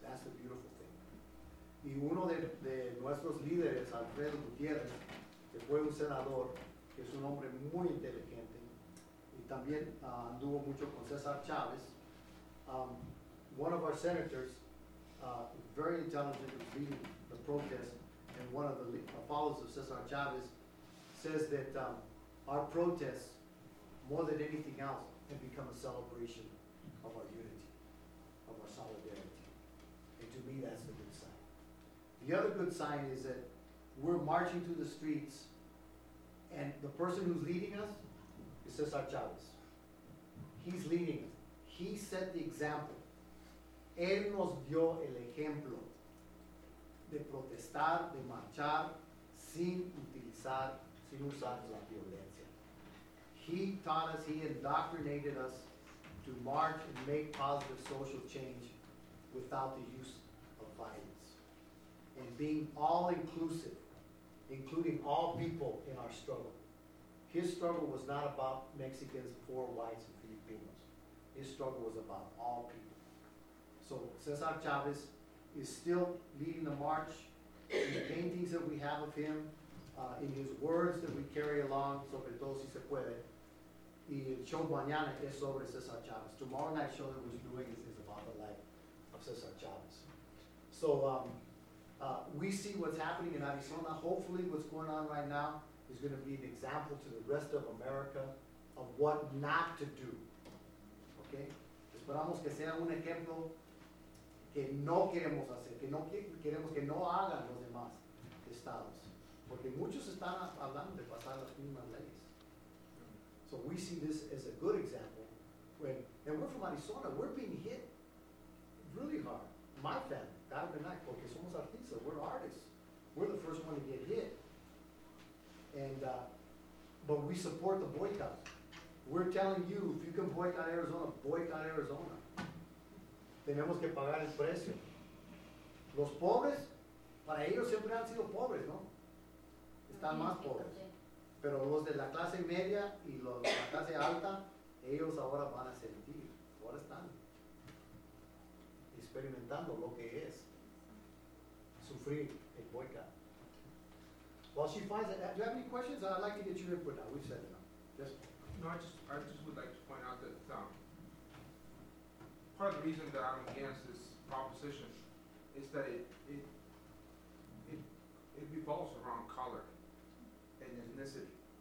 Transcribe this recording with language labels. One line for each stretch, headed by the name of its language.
English: That's the beautiful thing.
Spanish: Y uno de nuestros líderes, Alfredo Gutiérrez, que fue un senador, que es un hombre muy inteligente, y también anduvo mucho con César Chávez,
English: one of our senators, very intelligent, was leading the protest, and one of the followers of Cesar Chavez says that our protests, more than anything else, have become a celebration of our unity, of our solidarity. And to me, that's the good sign. The other good sign is that we're marching through the streets, and the person who's leading us is Cesar Chavez. He's leading us. He set the example.
Spanish: Él nos dio el ejemplo de protestar, de marchar sin usar la violencia.
English: He taught us, he indoctrinated us to march and make positive social change without the use of violence. And being all inclusive, including all people in our struggle. His struggle was not about Mexicans, poor whites, and Filipinos. His struggle was about all people. So Cesar Chavez is still leading the march in the paintings that we have of him, in his words that we carry along,
Spanish: sobre todo si se puede. Y el show mañana es sobre Cesar Chavez.
English: Tomorrow night show that we're doing is about the life of Cesar Chavez. So we see what's happening in Arizona. Hopefully what's going on right now is going to be an example to the rest of America of what not to do. Okay?
Spanish: Esperamos que sea un ejemplo que no queremos hacer, que no queremos que no hagan los demás estados, porque muchos están hablando de pasar las mismas leyes.
English: So we see this as a good example. When, and we're from Arizona, we're being hit really hard. My family, Carmen and I,
Spanish: porque somos artistas,
English: we're artists. We're the first one to get hit. And but we support the boycott. We're telling you, if you can boycott Arizona, boycott Arizona.
Spanish: Tenemos que pagar el precio. Los pobres, para ellos siempre han sido pobres, ¿no? Están más pobres. Pero los de la clase media y los de la clase alta, ellos ahora van a sentir, ahora están experimentando lo que es sufrir el boycott.
English: Well, she finds that, do you have any questions? I'd like to get your input now. We've said enough. Yes? No, I just would like to point out that part of the reason that I'm against this proposition is that it revolves around color and ethnicity.